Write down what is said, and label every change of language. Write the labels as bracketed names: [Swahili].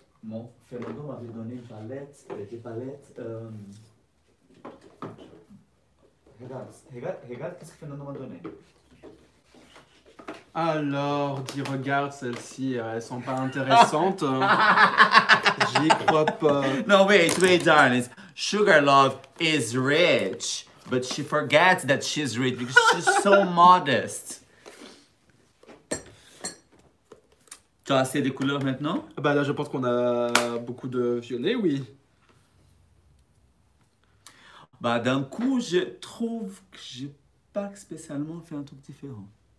[French] Mon Fernando m'avait donné une palette, des palettes. Regarde, qu'est-ce que Fernando m'a donné. Alors, dis, regarde celles-ci, elles sont pas intéressantes. J'y crois pas. [English] No, wait, darling. Sugar Love is rich, but she forgets that she's rich because she's so modest. [French] Tu as assez de couleurs maintenant? Bah là, je pense qu'on a beaucoup de violet, oui. Bah d'un coup, je trouve que j'ai pas spécialement fait un truc différent.